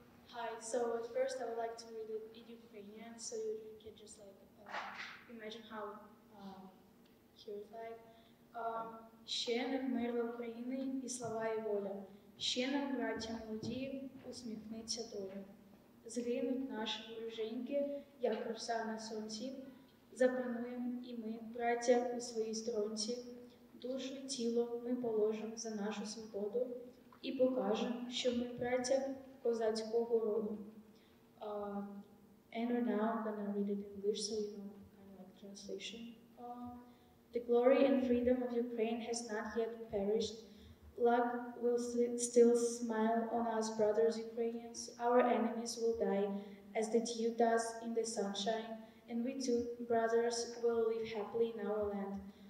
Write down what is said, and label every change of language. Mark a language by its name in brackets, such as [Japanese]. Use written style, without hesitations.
[English] Hi, so at first I would like to read it in Ukrainian so you can just like imagine how he was like. [Ukrainian] Ще не вмерла Україна і слова і воля. Ще нам браття молоді усміхнеться доля. Згинуть наші вороженьки, як роса на сонці, запануємо і ми, браття, у своїй стронці, душу, тіло ми положимо за нашу свободу і покажемо, що ми браття козацького роду. [English] And we're now gonna read it in English, so you know kind of like translation. The glory and freedom of Ukraine has not yet perished. Luck will still smile on us, brothers Ukrainians. Our enemies will die as the dew does in the sunshine, and we too, brothers, will live happily in our land.